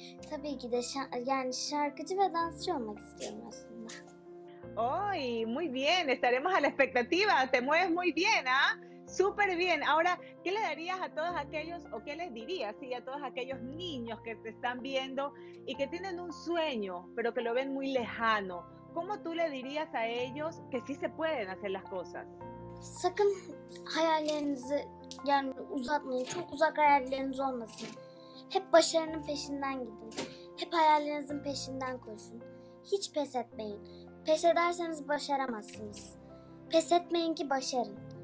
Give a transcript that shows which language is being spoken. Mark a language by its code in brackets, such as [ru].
[tr] Tabii ki de şarkıcı ve dansçı olmak istiyorum aslında. ¡Ay! [es] Muy bien, estaremos a la expectativa. Te mueves muy bien, ¿ah? Súper bien. Ahora, ¿qué le darías a todos aquellos, o qué les dirías, sí, a todos aquellos niños que te están viendo y que tienen un sueño, pero que lo ven muy lejano? ¿Cómo tú le dirías a ellos que sí se pueden hacer las cosas? [tr] Sakın hayallerinizi yani uzatmayın. Çok uzak hayalleriniz olmasın. Hep başarının peşinden gidin. Hep hayallerinizin peşinden koşun. Hiç pes etmeyin. Pes ederseniz başaramazsınız. Pes etmeyin ki başarın.